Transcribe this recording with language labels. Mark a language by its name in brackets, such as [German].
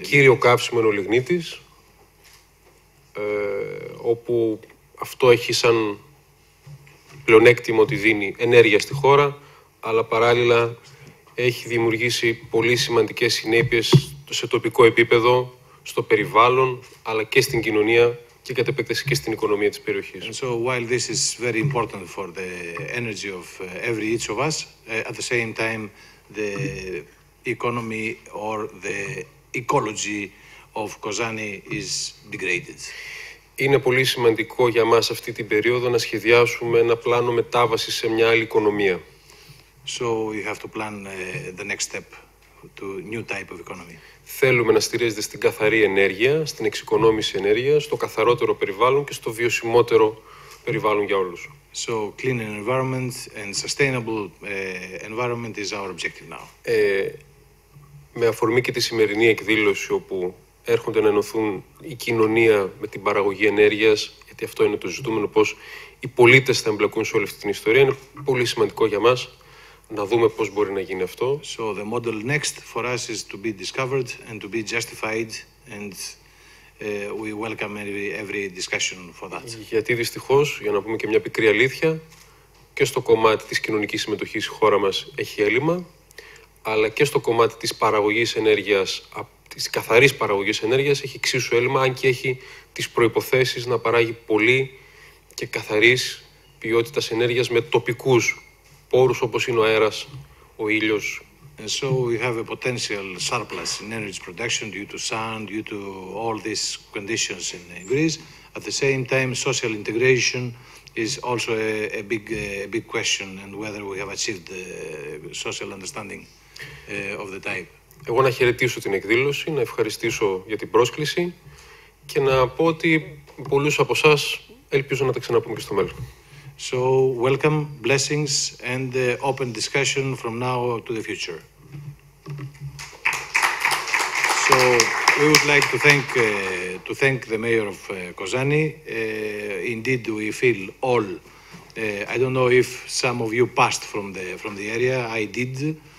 [Greek] Κύριο καύσιμο είναι ο λιγνίτης, όπου αυτό έχει σαν πλεονέκτημα ότι δίνει ενέργεια στη χώρα, αλλά παράλληλα έχει δημιουργήσει πολύ σημαντικές συνέπειες σε τοπικό επίπεδο, στο περιβάλλον, αλλά και στην κοινωνία και κατ' επέκταση και στην οικονομία της περιοχής. [English] And so, while this is very important for the energy of every each of us, at the same time, the economy or the ecology of Kozani is degraded. [Greek] Είναι πολύ σημαντικό για μας αυτή την περίοδο να σχεδιάσουμε ένα πλάνο μετάβασης σε μια άλλη οικονομία. [English] So you have to plan the next step to new type of economy. [Greek] Θέλουμε να στηρίζεται στην καθαρή ενέργεια, στην εξοικονόμηση ενέργειας, στο καθαρότερο περιβάλλον και στο βιωσιμότερο περιβάλλον για όλους. [English] So clean environment and sustainable environment is our objective now. [Greek] Με αφορμή και τη σημερινή εκδήλωση όπου έρχονται να ενωθούν η κοινωνία με την παραγωγή ενέργειας, γιατί αυτό είναι το ζητούμενο, πώς οι πολίτες θα εμπλακούν σε όλη αυτή την ιστορία, είναι πολύ σημαντικό για μας να δούμε πώς μπορεί να γίνει αυτό. [English] So the model next for us is to be discovered and to be justified and we welcome every discussion for that. [Greek] Γιατί δυστυχώς, για να πούμε και μια πικρή αλήθεια, και στο κομμάτι της κοινωνικής συμμετοχής η χώρα μας έχει έλλειμμα, αλλά και στο κομμάτι της παραγωγής ενέργειας, της καθαρής παραγωγής ενέργειας, έχει εξίσου έλλειμμα, αν και έχει τις προϋποθέσεις να παράγει πολύ και καθαρής ποιότητας ενέργειας με τοπικούς πόρους όπως είναι ο αέρας, ο ήλιος. [English] And so we have a potential surplus in energy production due to sun, due to all these conditions in Greece. At the same time, social integration is also a big question and whether we have achieved the social understanding of the type. [Greek] Εγώ να χαιρετήσω την εκδήλωση, να ευχαριστήσω για την πρόσκληση και να πω ότι πολλούς από εσάς ελπίζω να τα ξαναπούμε και στο μέλλον. [English] So, welcome, blessings and open discussion from now to the future. So, we would like to thank the mayor of Kozani. Indeed, we feel all. I don't know if some of you passed from the area. I did.